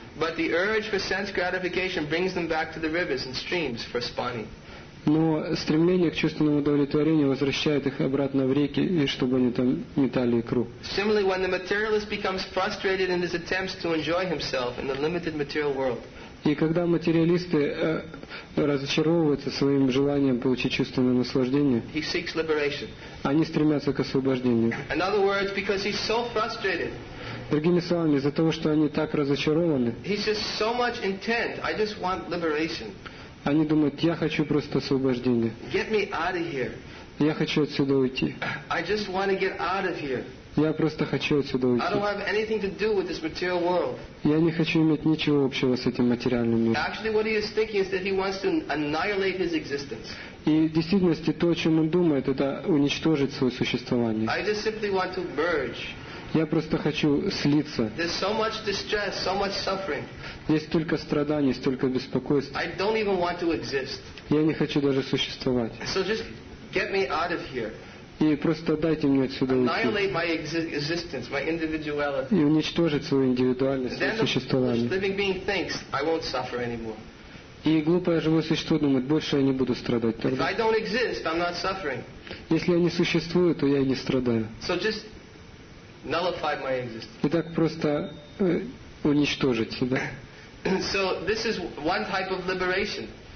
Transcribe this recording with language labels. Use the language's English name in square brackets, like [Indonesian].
[English] But the urge for sense gratification brings them back to the rivers and streams for spawning. [Russian] Но стремление к чувственному удовлетворению возвращает их обратно в реки, и чтобы они там метали икру. [English] Similarly, when the materialist becomes frustrated in his attempts to enjoy himself in the limited material world. [Russian] И когда материалисты разочаровываются своим желанием получить чувственное наслаждение, они стремятся к освобождению. [English] In other words, because he's so frustrated. [Russian] Другими словами, из-за того, что они так разочарованы, [English] so much intent. I just want liberation. [Russian] Они думают, я хочу просто освобождение. [English] Get me out of here. [Russian] Я хочу отсюда уйти. [English] I just want to get out of here. [Russian] Я просто хочу отсюда уйти. [English] I don't have anything to do with this material world. [Russian] Я не хочу иметь ничего общего с этим материальным миром. [English] Actually, what he is thinking is that he wants to annihilate his existence. [Russian] И в действительности то, о чем он думает, это уничтожить свое существование. [English] I just simply want to merge. [Russian] Я просто хочу слиться. [English] There's so much distress, so much suffering. [Russian] Есть столько страданий, столько беспокойств. [English] I don't even want to exist. [Russian] Я не хочу даже существовать. [English] So just get me out of here. [Russian] И просто дайте мне отсюда уйти. [English] Annihilate my existence, my individuality. [Russian] И уничтожить свою индивидуальность, свое существование. [English] Living being thinks, I won't suffer anymore. [Russian] И глупое живое существо думает, больше я не буду страдать. [English] If I don't exist, I'm not suffering. [Russian] Если я не существую, то я и не страдаю. [English] So just nullify my existence. [Russian] Итак, просто уничтожить себя. [English] So this is one type of liberation.